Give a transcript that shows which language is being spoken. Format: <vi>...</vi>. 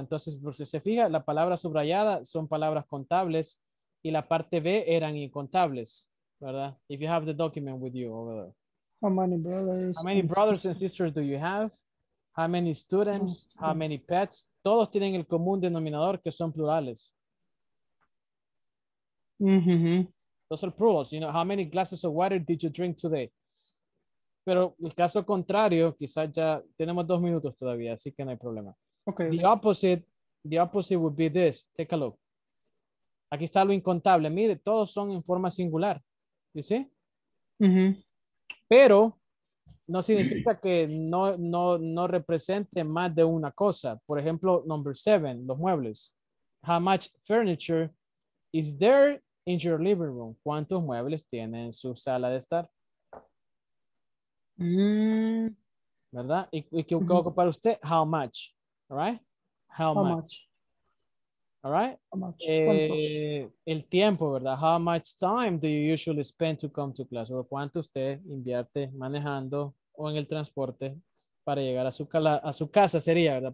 <es>Entonces, por si se fija, la palabra subrayada son palabras contables y la parte B eran incontables, ¿verdad?</es> <en>If you have the document with you over there. How many brothers and sisters do you have? How many students? How many pets?</en> <es>Todos tienen el común denominador que son plurales. Mm-hmm.</es> <en>Those are plurals. You know, how many glasses of water did you drink today?</en> <es>Pero el caso contrario, quizás ya tenemos 2 minutos todavía, así que no hay problema. Okay.</es> <en>The opposite would be this. Take a look. Aquí está lo incontable.</en> <es>Mire, todos son en forma singular. You see? Mm-hmm. Pero no significa que no represente más de una cosa. Por ejemplo, number 7, los muebles.</es> <en>How much furniture is there in your living room?</en> <es>¿Cuántos muebles tiene en su sala de estar?</es> <en>¿Verdad? ¿Y qué ocupa para usted? How much, right? How much? All right. How much?</en> <es>El tiempo, ¿verdad? How much time do you usually spend to come to class? O cuánto usted invierte manejando o en el transporte para llegar a su casa sería, ¿verdad?</es>